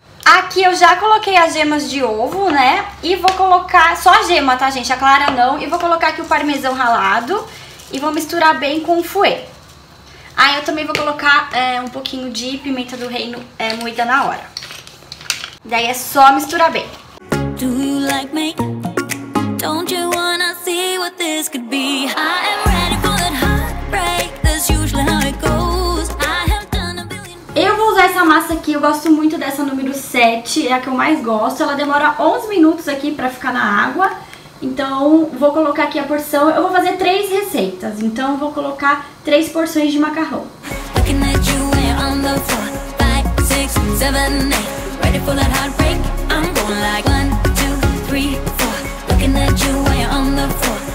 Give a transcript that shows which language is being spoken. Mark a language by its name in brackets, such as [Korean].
[Portuguese] Aqui eu já coloquei as gemas de ovo, né? E vou colocar... Só a gema, tá, gente? A clara não. E vou colocar aqui o parmesão ralado e vou misturar bem com o fouet. Aí eu também vou colocar um pouquinho de pimenta do reino moída na hora. Daí é só misturar bem. [English] Do you like me? Don't you wanna see what this could be? I am ready for that heartbreak. That's usually how it goes. I have done a billion... [Portuguese] Eu vou usar essa massa aqui, eu gosto muito dessa número 7, é a que eu mais gosto. Ela demora 11 minutos aqui pra ficar na água. Então, vou colocar aqui a porção. Eu vou fazer 3 receitas, então vou colocar 3 porções de macarrão. [English] Looking at you when you're on the floor. 5, 6, 7, 8. Ready for that heartbreak? I'm going like 1, 2, 3, 4. Looking at you when you're on the floor.